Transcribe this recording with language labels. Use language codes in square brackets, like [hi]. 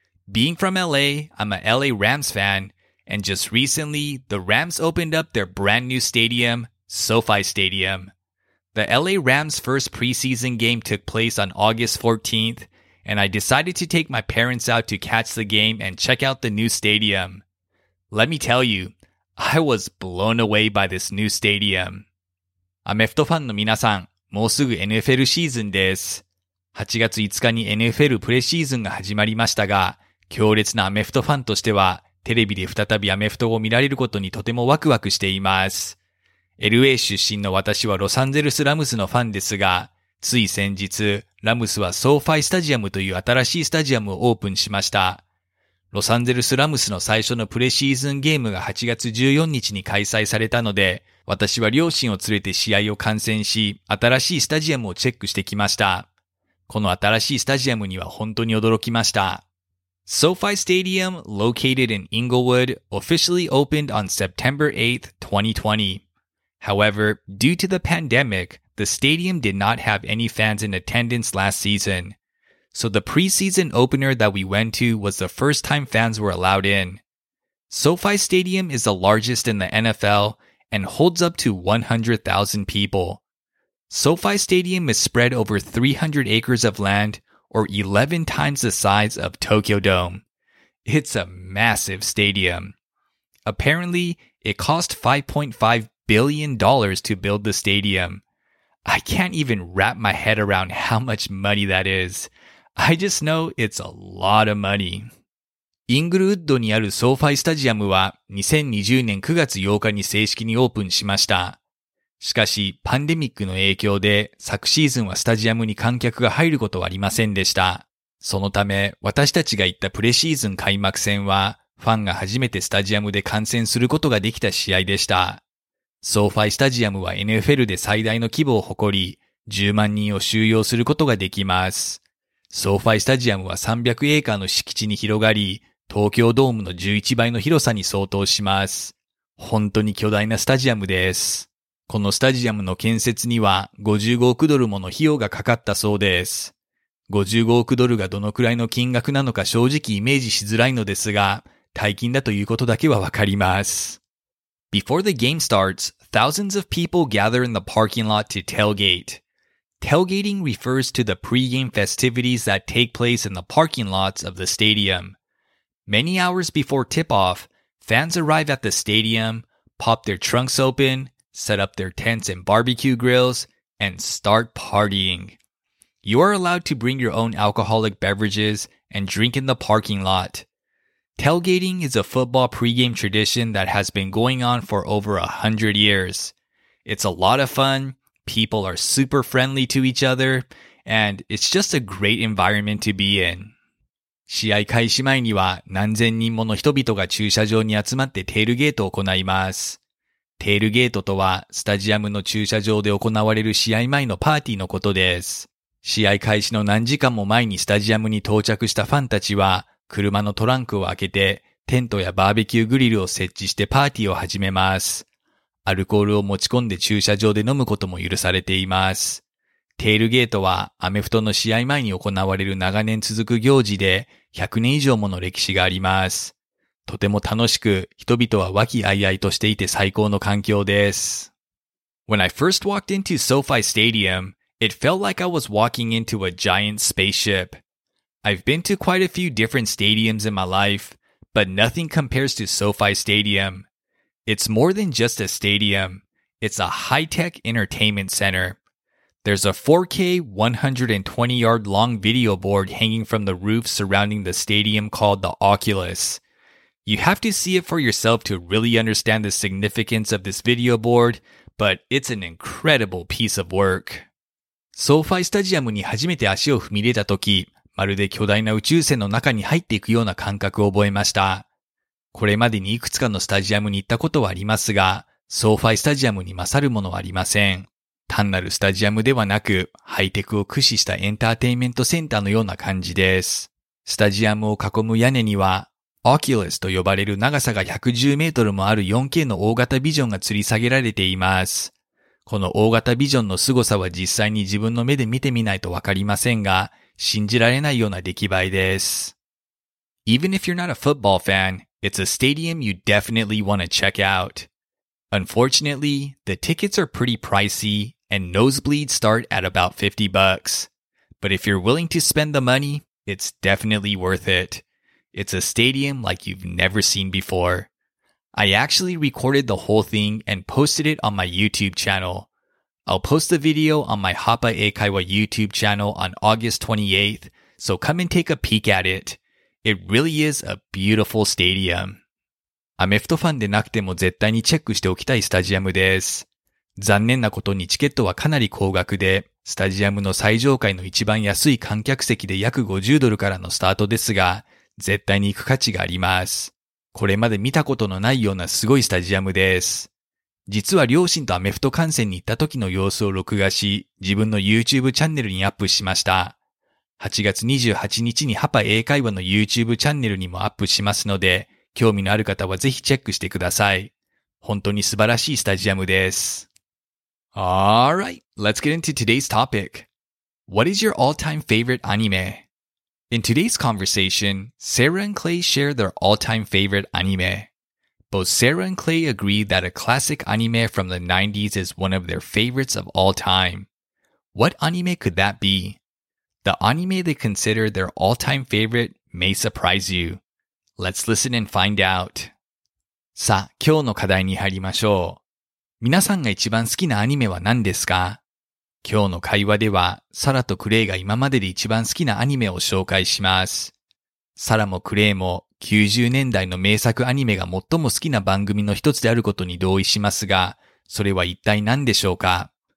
[en] Being from LA, I'm a LA Rams fan, and just recently, the Rams opened up their brand new stadium, SoFi Stadium. The LA Rams' first preseason game took place on August 14th, and I decided to take my parents out to catch the game and check out the new stadium. Let me tell you, I was blown away by this new stadium. [ja] アメフトファンの皆さん、もうすぐ NFL シーズンです。 8月5日に NFL プレシーズンが始まりましたが、強烈なアメフトファンとしては、テレビで再びアメフトを見られることにとてもワクワクしています。 LA 出身の私はロサンゼルスラムスのファンですが、つい先日、ラムスはSoFiスタジアムという新しいスタジアムをオープンしました。ロサンゼルスラムスの最初のプレシーズンゲームが8月14日に開催されたので、私は両親を連れて試合を観戦し、新しいスタジアムをチェックしてきました。この新しいスタジアムには本当に驚きました。 [en] SoFi Stadium, located in Inglewood, officially opened on September 8th, 2020. However, due to the pandemic, the stadium did not have any fans in attendance last season. So the preseason opener that we went to was the first time fans were allowed in. SoFi Stadium is the largest in the NFL and holds up to 100,000 people. SoFi Stadium is spread over 300 acres of land, or 11 times the size of Tokyo Dome. It's a massive stadium. Apparently, it cost $5.5 billion to build the stadium. I can't even wrap my head around how much money that is. I just know it's a lot of money. [ja] Inglewoodにある SoFi Stadium は2020年9月8日に正式にオープンしました。しかし、パンデミックの影響で昨シーズンはスタジアムに観客が入ることはありませんでした。そのため、私たちが行ったプレシーズン開幕戦は、ファンが初めてスタジアムで観戦することができた試合でした。 SoFi Stadium は NFL で最大の規模を誇り、10万人を収容することができます。 SoFi Stadium は300エーカーの敷地に広がり、東京ドームの11倍の広さに相当します。本当に巨大なスタジアムです。このスタジアムの建設には55億ドルもの費用がかかったそうです。 55億ドルがどのくらいの金額なのか正直イメージしづらいのですが、大金だということだけはわかります。 [en] Before the game starts, thousands of people gather in the parking lot to tailgate. Tailgating refers to the pre-game festivities that take place in the parking lots of the stadium. Many hours before tip-off, fans arrive at the stadium, pop their trunks open,set up their tents and barbecue grills, and start partying. You are allowed to bring your own alcoholic beverages and drink in the parking lot. Tailgating is a football pregame tradition that has been going on for over 100 years. It's a lot of fun, people are super friendly to each other, and it's just a great environment to be in. [ja] 試合開始前には何千人もの人々が駐車場に集まってテールゲートを行います。テールゲートとは、スタジアムの駐車場で行われる試合前のパーティーのことです。試合開始の何時間も前にスタジアムに到着したファンたちは、車のトランクを開けて、テントやバーベキューグリルを設置してパーティーを始めます。アルコールを持ち込んで駐車場で飲むことも許されています。テールゲートは、アメフトの試合前に行われる長年続く行事で、100年以上もの歴史があります。とても楽しく、人々は和気あいあいとしていて最高の環境です。 [en] When I first walked into SoFi Stadium, it felt like I was walking into a giant spaceship. I've been to quite a few different stadiums in my life, but nothing compares to SoFi Stadium. It's more than just a stadium. It's a high-tech entertainment center. There's a 4K 120-yard long video board hanging from the roof surrounding the stadium called the Oculus. You have to see it for yourself to really understand the significance of this video board, but it's an incredible piece of work. [ja] SoFi Stadium に初めて足を踏み入れた時、まるで巨大な宇宙船の中に入っていくような感覚を覚えました。これまでにいくつかのスタジアムに行ったことはありますが、SoFi Stadium に勝るものはありません。単なるスタジアムではなく、ハイテクを駆使したエンターテインメントセンターのような感じです。スタジアムを囲む屋根には、Oculus と呼ばれる長さが110メートルもある 4K の大型ビジョンが吊り下げられています。この大型ビジョンの凄さは実際に自分の目で見てみないとわかりませんが、信じられないような出来栄えです。 [en] Even if you're not a football fan, it's a stadium you definitely want to check out. Unfortunately, the tickets are pretty pricey and nosebleeds start at about $50. But if you're willing to spend the money, it's definitely worth it. It's a stadium like you've never seen before. I actually recorded the whole thing and posted it on my YouTube channel. I'll post the video on my Hapa Eikaiwa YouTube channel on August 28th, so come and take a peek at it. It really is a beautiful stadium. [ja] アメフトファンでなくても絶対にチェックしておきたいスタジアムです。残念なことにチケットはかなり高額で、スタジアムの最上階の一番安い観客席で約50ドルからのスタートですが、絶対に行く価値があります。これまで見たことのないようなすごいスタジアムです。実は両親とアメフト観戦に行った時の様子を録画し、自分の YouTube チャンネルにアップしました。 8月28日にハパ英会話の YouTube チャンネルにもアップしますので、興味のある方はぜひチェックしてください。本当に素晴らしいスタジアムです。 [en] Alright, let's get into today's topic. What is your all-time favorite anime? In today's conversation, Sarah and Clay share their all-time favorite anime. Both Sarah and Clay agree that a classic anime from the 90s is one of their favorites of all time. What anime could that be? The anime they consider their all-time favorite may surprise you. Let's listen and find out. [ja] さあ、今日の課題に入りましょう。皆さんが一番好きなアニメは何ですか？今日の会話では、サラとクレイが今までで一番好きなアニメを紹介します。サラもクレイも90年代の名作アニメが最も好きな番組の一つであることに同意しますが、それは一体何でしょうか？